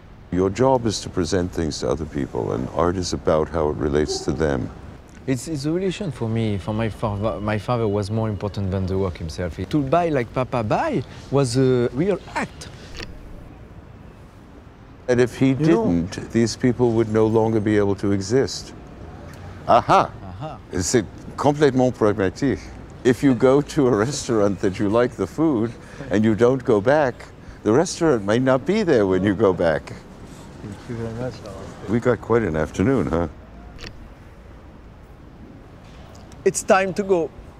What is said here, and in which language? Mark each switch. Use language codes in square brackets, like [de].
[en] Your job is to present things to other people, and art is about how it relates to them. It's a relation for me, for my father. My father was more important than the work himself. To buy like Papa buy was a real act. And if he didn't, these people would no longer be able to exist. Aha! Aha. [fr] C'est complètement pragmatique. [en] If you go to a restaurant that you like the food and you don't go back, the restaurant might not be there when you go back. Thank you very much. We got quite an afternoon, huh? It's time to go.